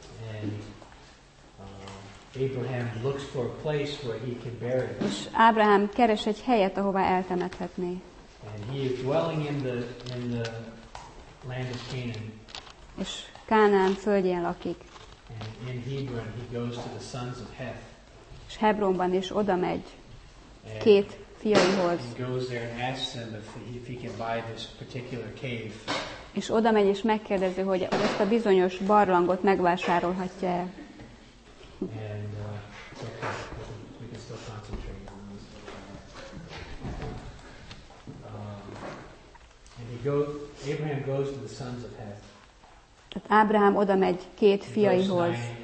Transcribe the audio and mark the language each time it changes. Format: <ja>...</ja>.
<en>And Abraham looks for a place where he can bury.</en> <hu>És Ábrahám keres egy helyet, ahová eltemethetné.</hu> <en>And he is dwelling in the land of Canaan.</en> <hu>És Kánaán földjén lakik.</hu> <en>And in Hebron he goes to the sons of Heth.</en> <hu>És Hebronban is oda megy két fiaihoz.</hu> <en>He goes there and asks them if he can buy this particular cave.</en> <hu>És oda megy és megkérdezi, hogy ezt a bizonyos barlangot megvásárolhatja el.</hu> <en>And it's okay. We can still concentrate on this. Abraham goes to the sons of Heth.</en> <hu>Tehát Ábrahám oda megy két fiaihoz.</hu>